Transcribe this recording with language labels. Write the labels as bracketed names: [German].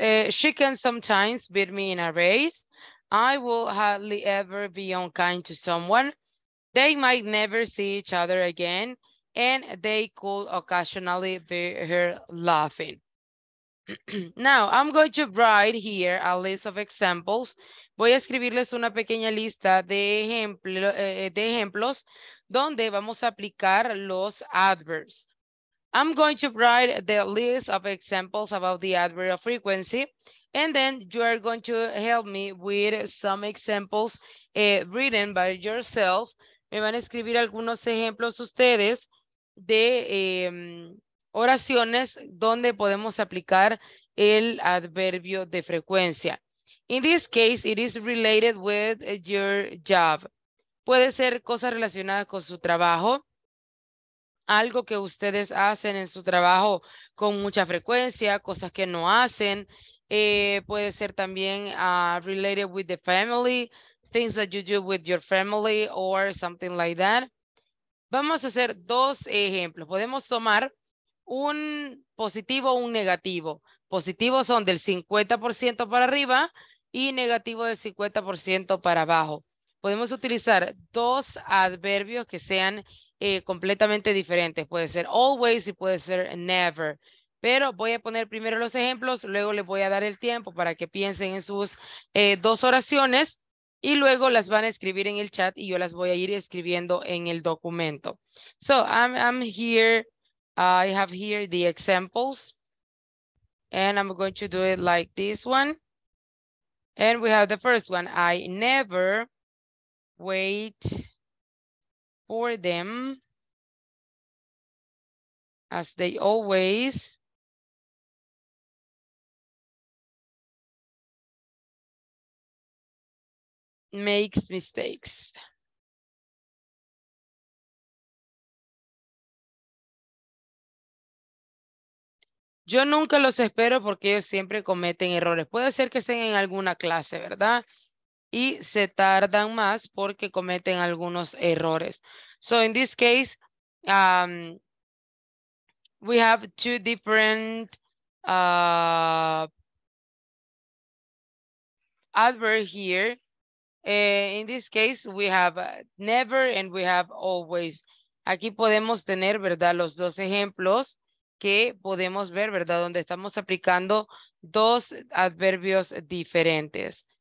[English] She can sometimes beat me in a race. I will hardly ever be unkind to someone. They might never see each other again. And they could occasionally hear her laughing. Now, I'm going to write here a list of examples. [Spanish] Voy a escribirles una pequeña lista de ejemplos donde vamos a aplicar los adverbs. [English] I'm going to write the list of examples about the adverb of frequency, and then you are going to help me with some examples written by yourself. [Spanish] Me van a escribir algunos ejemplos ustedes de oraciones donde podemos aplicar el adverbio de frecuencia. [English] In this case, it is related with your job. [Spanish] Puede ser cosas relacionadas con su trabajo, algo que ustedes hacen en su trabajo con mucha frecuencia, cosas que no hacen. Puede ser también [English] related with the family, things that you do with your family or something like that. [Spanish] Vamos a hacer dos ejemplos. Podemos tomar un positivo o un negativo. positivos son del 50% para arriba y negativos del 50% para abajo. Podemos utilizar dos adverbios que sean completamente diferentes. Puede ser always y puede ser never. Pero voy a poner primero los ejemplos, luego les voy a dar el tiempo para que piensen en sus dos oraciones y luego las van a escribir en el chat y yo las voy a ir escribiendo en el documento. [English] So, I'm here, I have here the examples. And I'm going to do it like this one. And we have the first one. I never wait for them as they always makes mistakes. [Spanish] Yo nunca los espero porque ellos siempre cometen errores. Puede ser que estén en alguna clase, ¿verdad? Y se tardan más porque cometen algunos errores. [English] So in this case, we have two different adverbs here. In this case, we have never and we have always. [Spanish] Aquí podemos tener, ¿verdad?, los dos ejemplos que podemos ver, ¿verdad?, donde estamos aplicando dos adverbios diferentes.